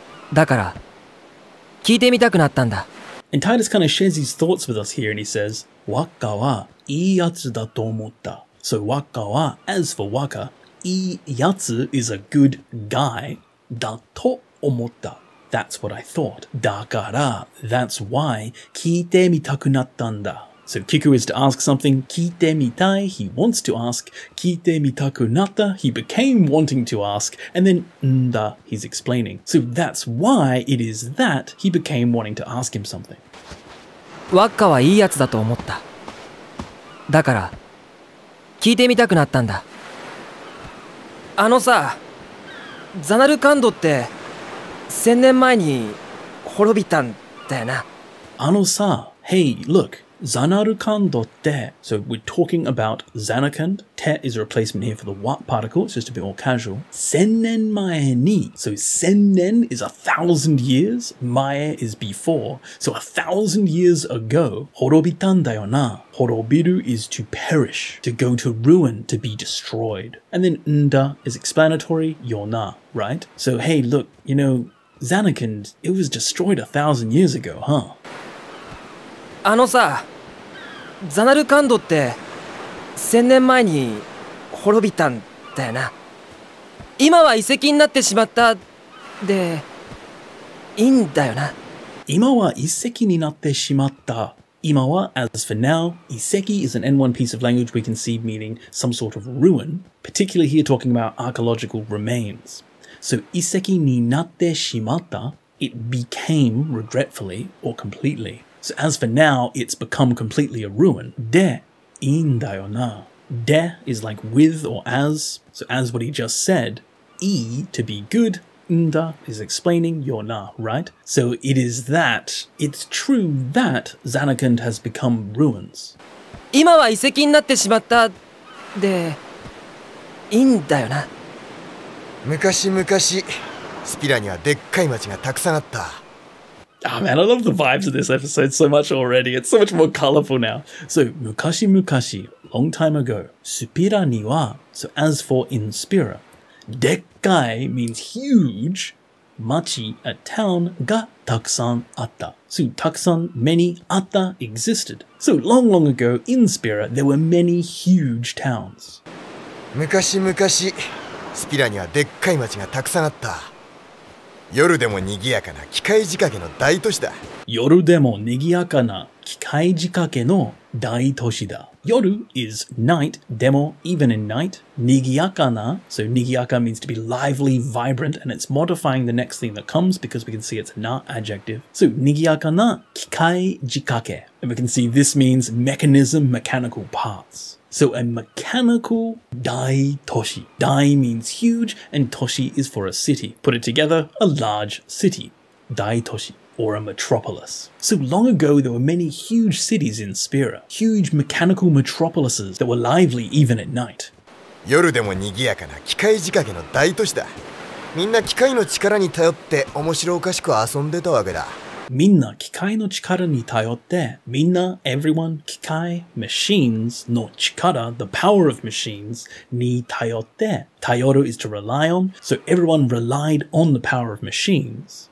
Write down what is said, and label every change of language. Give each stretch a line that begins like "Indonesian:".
Japanese: だから、聞いてみたくなったんだ。
English: And Titus kind of shares his thoughts with us here and he says,
Japanese: Wakka wa ii yatsu da to omotta.
English: So
Japanese: Wakka wa,
English: as for Wakka, ii yatsu is a good guy,
Japanese: da to omotta.
English: That's what I thought.
Japanese: だから、
English: that's why,
Japanese: 聞いてみたくなったんだ。
English: So Kiku is to ask something,
Japanese: 聞いてみたい、
English: he wants to ask,
Japanese: 聞いてみたくなった、
English: he became wanting to ask, and then んだ、he's explaining. So that's why it is that he became wanting to ask him something.
Japanese: ワッカはいいやつだと思った。だから、聞いてみたくなったんだ。あのさ、ザナルカンドって、千年前に滅びたんだよな。あのさ、
English: hey, look.
Japanese: Zanarukando te.
English: So we're talking about Zanarkand. Te is a replacement here for the wa particle. It's just a bit more casual.
Japanese: Sennen mae ni.
English: So sennen is 1,000 years. Mae is before. So 1,000 years ago.
Japanese: Horobitan da yo na.
English: Horobiru is to perish, to go to ruin, to be destroyed. And then nda is explanatory.
Japanese: Yo na,
English: right? So hey, look, you know, Zanarkand, it was destroyed 1,000 years ago, huh?
Japanese: あのさ、ザナルカンドって千年前に滅びたんだよな。今は遺跡になってしまったでいいんだよな。今は遺跡になってしまった。
English: 今は、as for now, 遺跡 is an N1 piece of language we can see meaning some sort of ruin, particularly here talking about archaeological remains. So
Japanese: 遺跡になってしまった、
English: it became regretfully or completely.So as for now, it's become completely a ruin.
Japanese: で、いいんだよな。
English: De is like with or as, so as what he just said. E to be good, nda is explaining, you're na, right? So it is that, it's true that Zanarkand has become ruins.
Japanese: 今は遺跡になってしまったで、いいんだよな。昔々、スピラにはでっかい町がたくさんあった。
English: Oh man, I love the vibes of this episode so much already. It's so much more colorful now. So, 昔々, long time ago,
Japanese: スピラには,
English: so as for in Spira, でっかい means huge, 町, a town,
Japanese: がたくさんあった.
English: So, たくさん, many, あった, existed. So, long, long ago, in Spira, there were many huge towns.
Japanese: 昔々, スピラにはでっかい町がたくさんあった。夜でも賑やかな機械仕掛けの大都市だ。夜でも賑やかな機械仕掛けの大都市だ。
English: 夜 is night, でも even in night, 賑やかな, so 賑やか means to be lively, vibrant, and it's modifying the next thing that comes because we can see it's na adjective.
Japanese: So 賑やかな機械仕掛け.
English: And we can see this means mechanism, mechanical parts. So a mechanical dai toshi. Dai means huge and toshi is for a city. Put it together, a large city. Dai toshi, or a metropolis. So long ago, there were many huge cities in Spira. Huge mechanical metropolises that were lively even at night.
Japanese: 夜でも賑やかな機械仕掛けの大都市だ。みんな機械の力に頼って面白おかしく遊んでたわけだ。みんな機械の力に頼って、みんな everyone 機械 machines の力 the power of machines に頼って、頼る
English: is to rely on, so everyone relied on the power of machines.